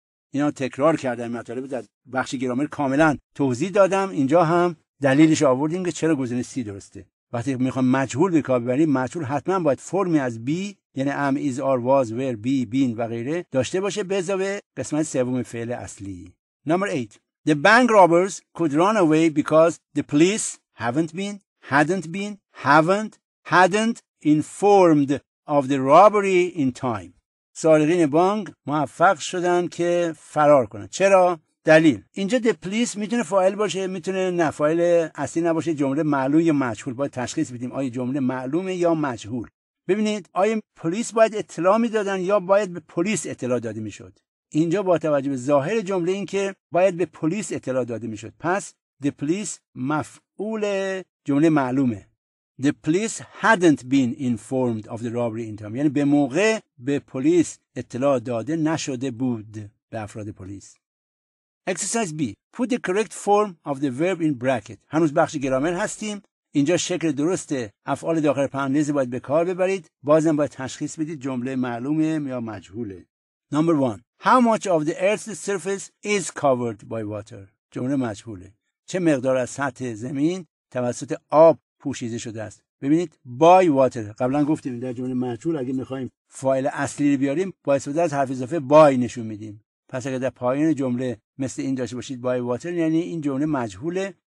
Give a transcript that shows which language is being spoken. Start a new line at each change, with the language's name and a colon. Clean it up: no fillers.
Persian: اینا تکرار کردن مطالب در بخش گرامر کاملا توضیح دادم. اینجا هم دلیلش آوردیم که چرا گزینه C درسته. وقتی میخوام مجهول به کار ببریم مجهول حتما باید فرمی از be یعنی am, is, are, was, were, be, been و غیره داشته باشه به علاوه قسمت سوم فعل اصلی.
English: Number 8. The bank robbers could run away because the police haven't been, hadn't been, haven't, hadn't informed of the robbery in time.
Persian: سارقین بانک موفق شدن که فرار کنن. چرا؟ دلیل. اینجا the police میتونه فاعل باشه، میتونه نه فاعل اصلی نباشه. جمله معلوم یا مجهول باید تشخیص بدیم. آیا جمله معلومه یا مجهول؟ ببینید، آیا پلیس باید اطلاع میدادن یا باید به پلیس اطلاع داده میشد؟ اینجا با توجه به ظاهر جمله این که باید به پلیس اطلاع داده میشد. پس the police مفعول جمله معلومه.
English: The police hadn't been informed of the robbery in time.
Persian: یعنی به موقع به پلیس اطلاع داده نشده بود به افراد پلیس.
English: Exercise B. Put the correct form of the verb in bracket.
Persian: هنوز بخش گرامر هستیم. اینجا شکل درست افعال داخل پرانتز باید به کار ببرید. بازم باید تشخیص بدید جمله معلومه یا مجهوله.
English: Number 1. How much of the earth's surface is covered by water?
Persian: جمله مجهوله. چه مقدار از سطح زمین توسط آب پوشیده شده است. ببینید by water قبلا گفتیم در جمله مجهول اگه می‌خوایم فاعل اصلی رو بیاریم با استفاده از حرف اضافه by نشون میدیم. پس اگه در پایان جمله مثل این داشته باشید by water یعنی این جمله مجهوله.